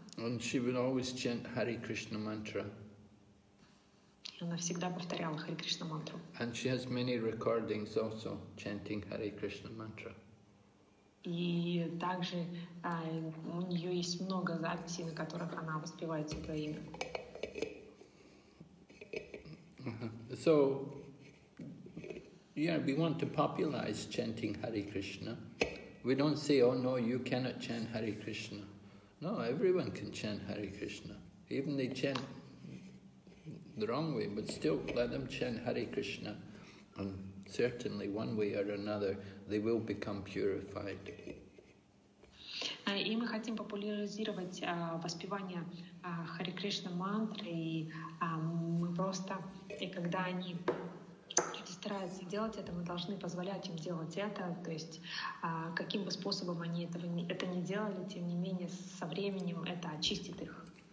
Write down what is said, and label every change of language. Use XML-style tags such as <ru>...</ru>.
<en>And she would always chant Hare Krishna mantra.</en> <ru>Она всегда повторяла Hare Krishna mantra.</ru> <en>And she has many recordings also chanting Hare Krishna mantra.</en> <ru>И также у нее есть много записей, на которых она воспевает свое имя.</ru> <en>So, yeah, we want to popularize chanting Hare Krishna. We don't say, oh no, you cannot chant Hare Krishna. No, everyone can chant Hare Krishna. Even they chant the wrong way, but still let them chant Hare Krishna. And certainly one way or another, they will become purified.</en> <ru>И мы хотим популяризировать воспевание Харе Кришна мантры, и мы просто, и когда они стараются делать это, мы должны позволять им делать это, то есть каким бы способом они это не делали, тем не менее, со временем это очистит их.</ru>